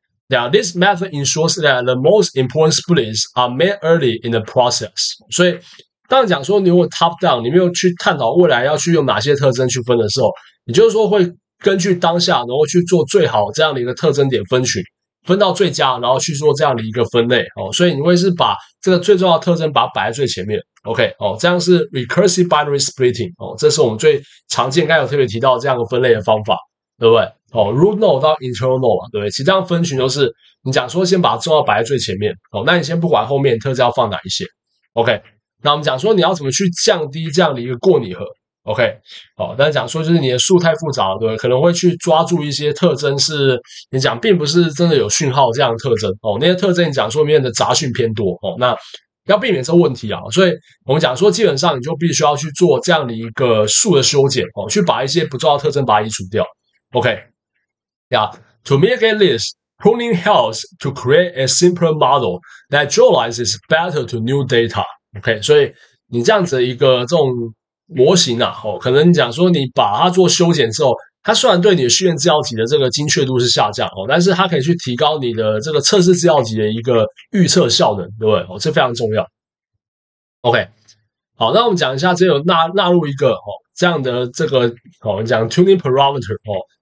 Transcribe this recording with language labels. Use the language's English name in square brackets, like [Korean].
[English] Now, this method ensures that the most important splits are made early in the process. [Chinese] 所以，当讲说你如果 top down，你没有去探讨未来要去用哪些特征去分的时候，你就是说会根据当下，然后去做最好这样的一个特征点分群，分到最佳，然后去做这样的一个分类。哦，所以你会是把这个最重要的特征把它摆在最前面。 OK，哦，这样是 recursive binary splitting。哦，这是我们最常见，刚才有特别提到这样的分类的方法，对不对？哦，root node 到 internal node 嘛，对不对？其实这样分群就是你讲说先把重要摆在最前面，哦，那你先不管后面特征要放哪一些，OK？那我们讲说你要怎么去降低这样的一个过拟合，OK？哦，但是讲说就是你的树太复杂了，对不对？可能会去抓住一些特征是你讲并不是真的有讯号这样的特征，哦，那些特征你讲说里面的杂讯偏多，哦，那要避免这个问题啊，所以我们讲说基本上你就必须要去做这样的一个树的修剪，哦，去把一些不重要特征把它移除掉，OK？ [English] To mitigate this, pruning helps to create a simpler model that generalizes better to new data. [Chinese] OK，所以你这样子一个这种模型啊，哦，可能你讲说你把它做修剪之后，它虽然对你的训练资料集的这个精确度是下降哦，但是它可以去提高你的这个测试资料集的一个预测效能，对不对？哦，这非常重要。OK，好，那我们讲一下这个纳入一个哦这样的这个哦，我们讲 tuning parameter 哦。